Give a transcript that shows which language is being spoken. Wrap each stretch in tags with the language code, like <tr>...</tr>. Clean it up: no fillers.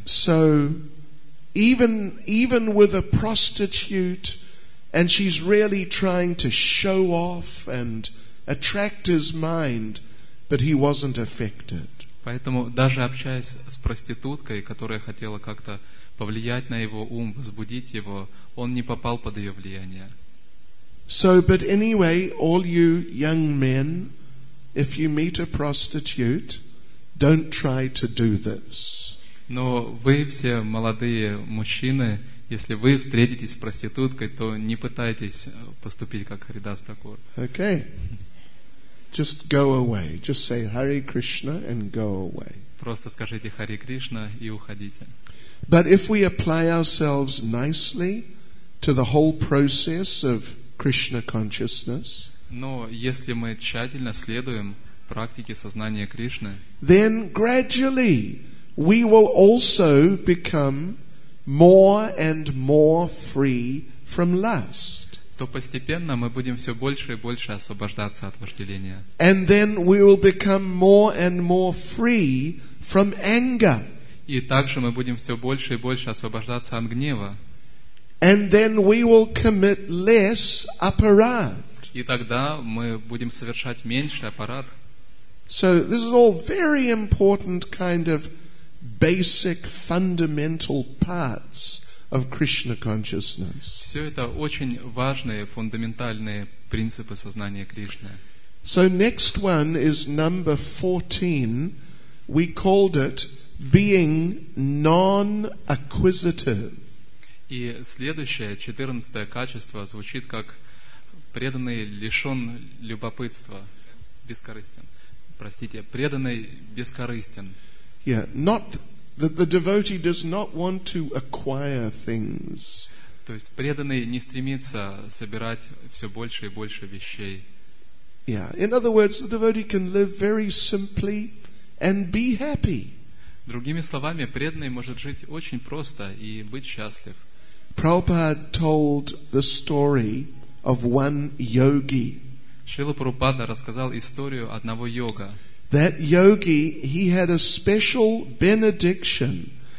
<en>So even with a prostitute, and she's really trying to show off and attract his mind, but he wasn't affected.</en> <ru>Поэтому даже общаясь с проституткой, которая хотела как-то повлиять на его ум, возбудить его, он не попал под ее влияние.</ru> <en>So, but anyway, all you young men, if you meet a prostitute, don't try to do this.</en> <ru>Но вы все молодые мужчины, если вы встретитесь с проституткой, то не пытайтесь поступить как Харидас Такур.</ru> <en>Okay. Just go away. Just say</en> <sa>Hare Krishna</sa> <en>and go away.</en> <ru>Просто скажите Харе Кришна и уходите.</ru> <en>But if we apply ourselves nicely to the whole process of Krishna consciousness,</en> <ru>но если мы тщательно следуем практике сознания Кришны,</ru> <en>then gradually we will also become more and more free from lust.</en> <ru>То постепенно мы будем все больше и больше освобождаться от вожделения.</ru> <en>And then we will become more and more free from anger.</en> <ru>И также мы будем все больше и больше освобождаться от гнева.</ru> <en>And then we will commit less aparad.</en> <ru>И тогда мы будем совершать меньше аппарат.</ru> <en>So this is all very important kind of basic fundamental parts of Krishna consciousness.</en> <ru>Все это очень важные фундаментальные принципы сознания Кришны.</ru> <en>So next one is number 14. We called it being non-acquisitive.</en> <ru>И следующее, 14-е качество, звучит как преданный лишен любопытства, бескорыстен. Простите, преданный бескорыстен.</ru> <en>Yeah, not That the devotee does not want to acquire things.</en> <ru>То есть преданный не стремится собирать все больше и больше вещей.</ru> <en>Yeah. In other words, the devotee can live very simply and be happy.</en> <ru>Другими словами, преданный может жить очень просто и быть счастлив.</ru> <en>Prabhupada told the story of one yogi.</en> <ru>Шрила Прабхупада рассказал историю одного йога.</ru> <en>That yogi, he had a special benediction.</en>